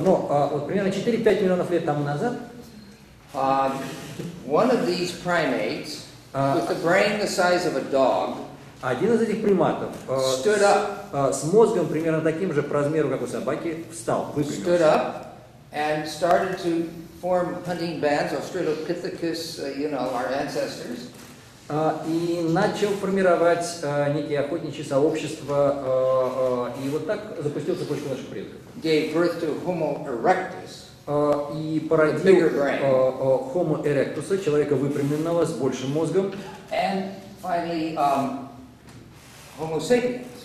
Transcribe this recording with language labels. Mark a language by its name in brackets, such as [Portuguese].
[Russian] Но вот примерно 4-5 миллионов лет тому назад. [English] One of these primates, with a brain the size of a dog. [Russian] Один из этих приматов [English] stood up, [Russian] с мозгом примерно таким же по размеру, как у собаки, встал, выпрямился. [English] Stood up and started to form hunting bands, Australopithecus, you know, our ancestors. [Russian] И начал формировать некие охотничьи сообщества, и вот так запустил цепочку наших предков. [English] Gave birth to Homo erectus. [Russian] И породил Homo erectus, человека выпрямленного с большим мозгом. [English] And finally, Homo sapiens.